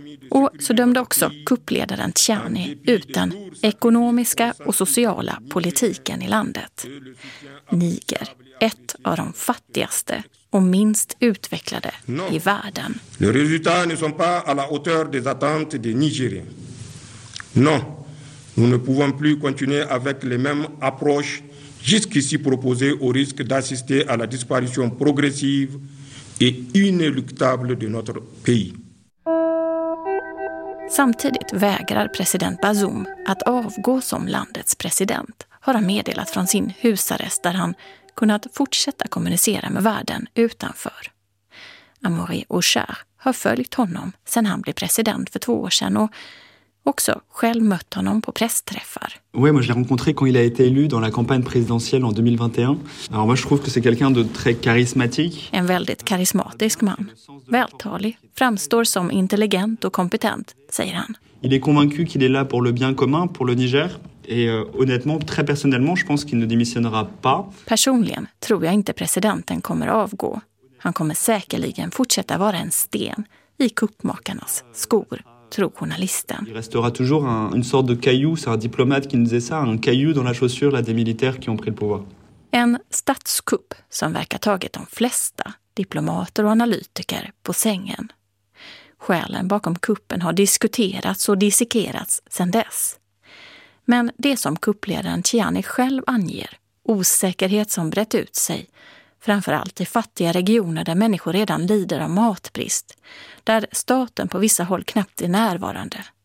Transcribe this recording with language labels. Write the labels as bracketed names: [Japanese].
[Swedish] Och så dömde också kuppledaren Tchiani ut den ekonomiska och sociala politiken i landet. Niger, ett av de fattigaste och minst utvecklade i världen. [French] Les résultats ne sont pas à la hauteur des attentes des Nigériens. Non, nous ne pouvons plus continuer avec les mêmes approches jusqu'ici proposées au risque d'assister à la disparition progressive et inéluctable de notre pays. [Swedish] Samtidigt vägrar president Bazoum att avgå som landets president, har han meddelat från sin husarrest där han kunnat fortsätta kommunicera med världen utanför. Amaury Auchers har följt honom sedan han blev president för 2 år sedan och också själv mött honom på pressträffar. [French] Oui, moi je l'ai rencontré quand il a été élu dans la campagne présidentielle en 2021. Alors moi je trouve que c'est quelqu'un de très charismatique. [Swedish] En väldigt karismatisk man. Vältalig, framstår som intelligent och kompetent, säger han. [French] Il est convaincu qu'il est là pour le bien commun, pour le Niger et honnêtement, très personnellement, je pense qu'il ne démissionnera pas. [Swedish] Personligen tror jag inte presidenten kommer att avgå. Han kommer säkerligen fortsätta vara en sten i kuppmakarnas skor. Journalisten. [French] Il restera toujours une sorte de caillou, c'est un diplomate qui nous dit ça, un caillou dans la chaussure là, des militaires qui ont pris le pouvoir. [Swedish] En statskupp som verkar tagit de flesta diplomater och analytiker på sängen. Skälen bakom kuppen har diskuterats och dissekerats sedan dess. Men det som kuppledaren Tchiani själv anger, osäkerhet som brett ut sig, framförallt i fattiga regioner där människor redan lider av matbrist, där staten på vissa håll knappt är närvarande.